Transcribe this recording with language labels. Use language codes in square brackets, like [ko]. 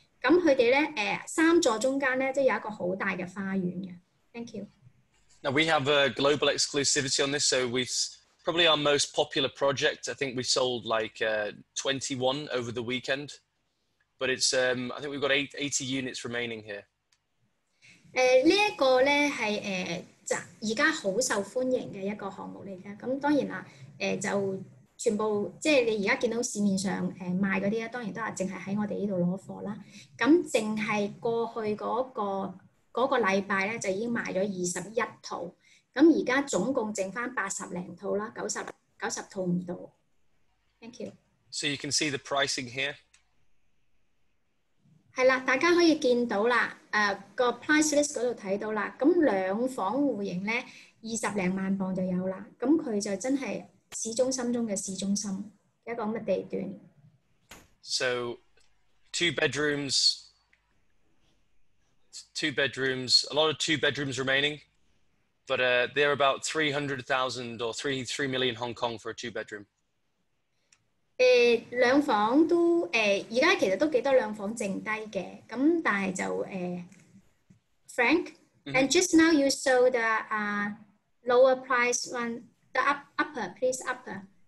[yue] 咁佢哋咧三座中間咧都有一個好大嘅花園嘅。 [en] Thank you. Now we have a global exclusivity on this, so we've probably our most popular project. I think we sold like 21 over the weekend, but it's I think we've got 80 units remaining here. [yue] 呢一個咧係而家好受歡迎嘅一個項目嚟嘅。咁當然啦，就全部即係你而家見到市面上賣嗰啲咧，當然都係淨係喺我哋呢度攞貨啦。咁淨係過去嗰個禮拜咧，就已經賣咗21套。咁而家總共剩翻80多套啦，九十套唔到。 [en] Thank you. So you can see the pricing here. [yue] 係啦，大家可以見到啦，個price list 嗰度睇到啦。咁兩房户型咧，20多萬磅就有啦。咁佢就真係市中心中嘅市中心一個咁嘅地段。 [en] So two bedrooms, two bedrooms, a lot of two bedrooms remaining, but they're about 300,000 or 3 million Hong Kong for a two bedroom. [yue] 兩房都現在其實都幾多兩房剩低嘅，咁但係就 [en] Frank, and just now you saw the lower price one, the upper, please upper.